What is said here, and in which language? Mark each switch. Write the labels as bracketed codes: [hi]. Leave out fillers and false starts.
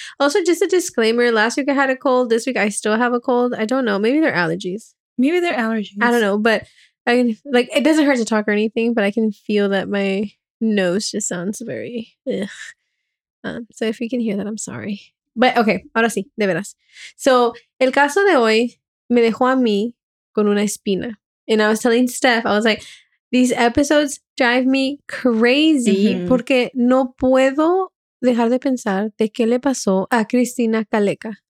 [en] Also, just a disclaimer. Last week I had a cold. This week I still have a cold. I don't know. Maybe they're allergies. I don't know. But it doesn't hurt to talk or anything, but I can feel that my nose just sounds very ugh. So if you can hear that, I'm sorry. But okay, [es] ahora sí, de veras. [en] So, [es] el caso de hoy me dejó a mí con una espina. [en] And I was telling Steph, I was like, these episodes drive me crazy mm-hmm. [es] porque no puedo dejar de pensar de qué le pasó a Cristina Caleca.